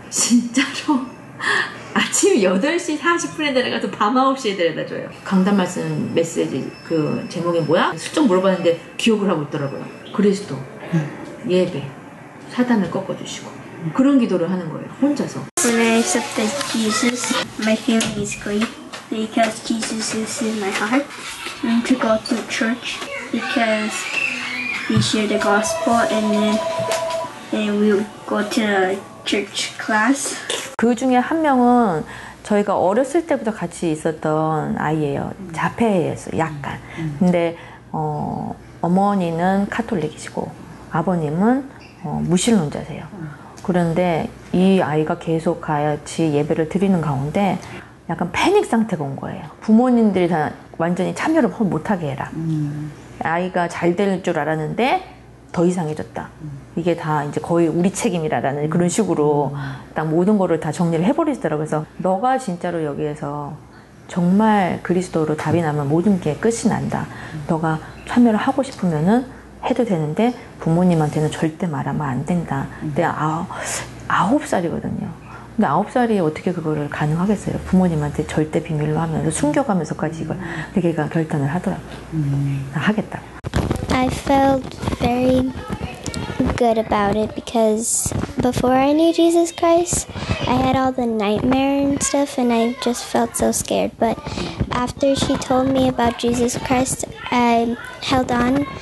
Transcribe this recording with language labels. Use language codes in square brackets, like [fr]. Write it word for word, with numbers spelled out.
[ko] 진짜로 아침 여덟 시 사십 분에 데려가서 밤 아홉 시에 데려다줘요. 강단 말씀 메시지 그 제목이 뭐야? 슬쩍 물어봤는데 기억을 하고 있더라고요. 그리스도, 음. 예배, 사단을 꺾어주시고 음. 그런 기도를 하는 거예요. 혼자서. [en] When I accepted Jesus, my feeling is great. Because Jesus is in my heart, and to go to church because we share the gospel, and then and we go to the church class. [ko] 그 중에 한 명은 저희가 어렸을 때부터 같이 있었던 아이예요. 자폐였어요, 약간. 근데 어, 어머니는 카톨릭이시고 아버님은 어, 무신론자세요. 그런데 이 아이가 계속 같이 예배를 드리는 가운데 약간 패닉 상태가 온 거예요. 부모님들이 다 완전히 참여를 못하게 해라. 음. 아이가 잘 될 줄 알았는데 더 이상해졌다. 음. 이게 다 이제 거의 우리 책임이라라는 그런 식으로 음. 딱 모든 거를 다 정리를 해버리시더라고요. 그래서 너가 진짜로 여기에서 정말 그리스도로 답이 나면 모든 게 끝이 난다. 음. 너가 참여를 하고 싶으면은 해도 되는데 부모님한테는 절대 말하면 안 된다. 음. 근데 아, 아홉 살이거든요. 근데 아홉 살이 어떻게 그거를 가능하겠어요? 부모님한테 절대 비밀로 하면서 숨겨가면서까지 이걸 걔가 결단을 하더라고요. 음. 하겠다. [en] I felt very good about it because before I knew Jesus Christ, I had all the nightmare and stuff, and I just felt so scared. But after she told me about Jesus Christ, I held on.